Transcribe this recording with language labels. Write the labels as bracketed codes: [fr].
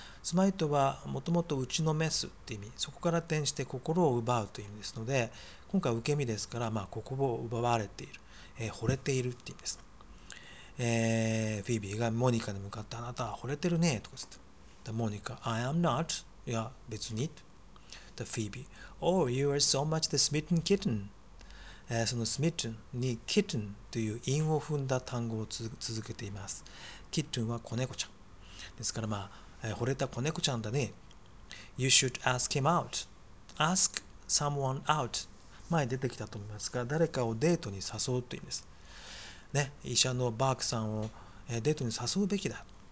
[ja] スマイトはもともと打ちのめすという意味、そこから転して心を奪うという意味ですので、今回受け身ですから、まあ、心を奪われている、惚れているという意味です。フィービーがモニカに向かって、あなたは惚れてるねとか言って、モニカ、 [en] I am not、 [ja] いや別に。 [en] で、フィービー、Oh, you are so much the smitten kitten。 [ja] そのスミットンにキットンという韻を踏んだ単語を続けています。キットンは子猫ちゃんですから、まあ、惚れた子猫ちゃんだね。 [en] You should ask him out、 ask someone out、 [ja] 前出てきたと思いますが、誰かをデートに誘うという意味です、ね、医者のバークさんをデートに誘うべきだ。